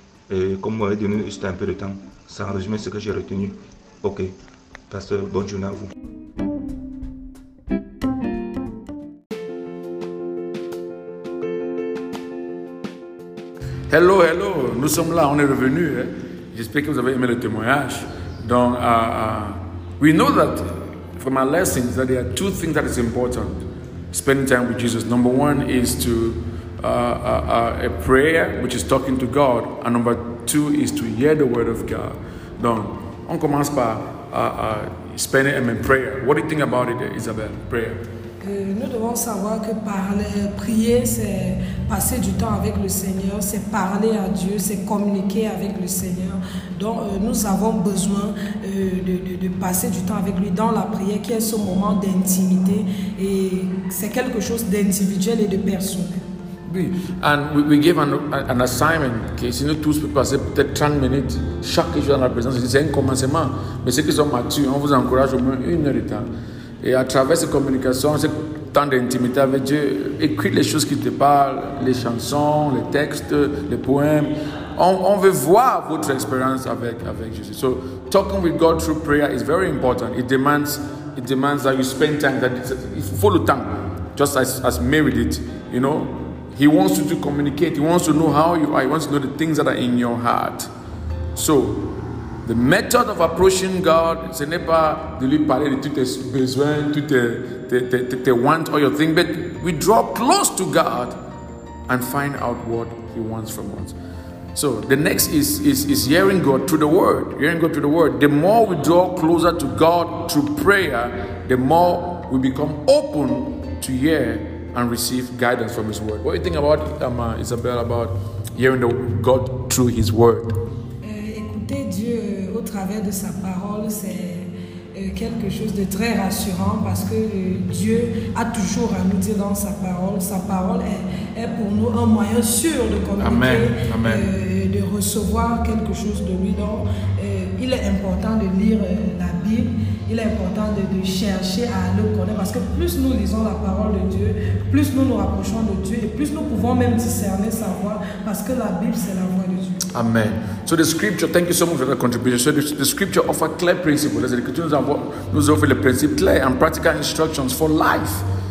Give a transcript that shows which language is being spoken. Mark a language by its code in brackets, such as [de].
[fr] Et comme vous m'avez donné juste un peu de temps, c'est en résumé ce que j'ai retenu. Ok, pasteur, bonne journée à vous. Hello, hello, nous sommes là, on est revenus. Hein? J'espère que vous avez aimé le témoignage. [en] Donc, we know that from our lessons that there are two things that is important. Spending time with Jesus. Number one is to a prayer, which is talking to God. And number two is to hear the word of God. [fr] Donc, on commence par [en] spending time in prayer. What do you think about it, Isabelle? Prayer. [fr] Nous devons savoir que prier, c'est passer du temps avec le Seigneur, c'est parler à Dieu, c'est communiquer avec le Seigneur. Donc, nous avons besoin de passer du temps avec lui dans la prière, qui est ce moment d'intimité. Et c'est quelque chose d'individuel et de personnel. [en] Oui, and we gave an assignment. Okay? [fr] Si nous tous pouvons passer peut-être 30 minutes chaque jour dans la présence, c'est un commencement. Mais ceux qui sont matures, on vous encourage au moins une heure de temps. Et à travers ces communications, ce temps d'intimité avec Dieu, écris les choses qui te parlent, les chansons, les textes, les poèmes. On veut voir votre expérience avec Jésus. [en] So, talking with God through prayer is very important. It demands that you spend time, that it's full of time, just as Mary did. You know, He wants you to communicate. He wants to know how you are. He wants to know the things that are in your heart. So, the method of approaching God, [fr] ce n'est pas de lui parler de tous tes [en] besoins, tous tes wants or your things, but we draw close to God and find out what He wants from us. So the next is hearing God through the Word. Hearing God through the Word. The more we draw closer to God through prayer, the more we become open to hear and receive guidance from His Word. What do you think about Isabel about hearing God through His Word? [fr] Écouter Dieu au travers de sa parole, c'est quelque chose de très rassurant parce que Dieu a toujours à nous dire dans sa parole. Sa parole est pour nous un moyen sûr de communiquer, amen. Amen. De recevoir quelque chose de lui. Donc, il est important de lire la Bible. Il est important de chercher à le connaître parce que plus nous lisons la parole de Dieu, plus nous nous rapprochons de Dieu et plus nous pouvons même discerner sa voix parce que la Bible, c'est la voix de Dieu. Amen. [en] So the scripture, thank you so much for that contribution. So the scripture offers clear principles. [fr] Les écritures nous offrent les principes clairs [en] and practical instructions for life.